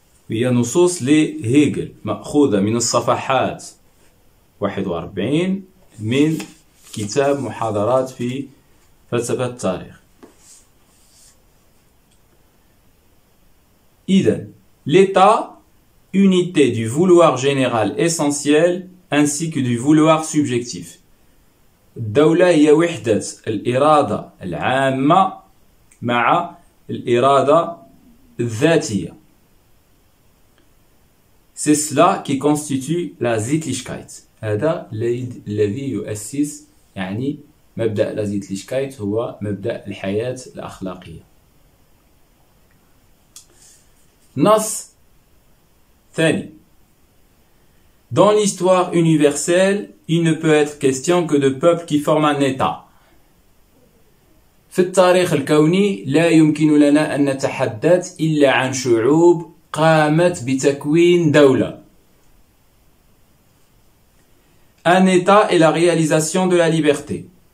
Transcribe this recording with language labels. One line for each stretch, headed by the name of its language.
Arabic: هي نصوص لهيجل مأخوذة من الصفحات 41 من كتاب محاضرات في فلسفة التاريخ.
French: إذن l'état unité du vouloir général essentiel ainsi que du vouloir subjectif.
Arabic: الدولة هي وحدة الإرادة العامة مع الإرادة الذاتية.
French: C'est cela qui constitue la Zeitlichkeit.
Arabic: هذا الذي يؤسس يعني مبدأ la Zeitlichkeit هو مبدأ الحياة الأخلاقية. نص ثاني.
French: Dans l'histoire universelle, il ne peut être question que de peuple qui forme un état.
Arabic: في التاريخ الكوني لا يمكن لنا أن نتحدث إلا عن شعوب قامت بتكوين دولة.
French: Un état est la réalisation de la liberté.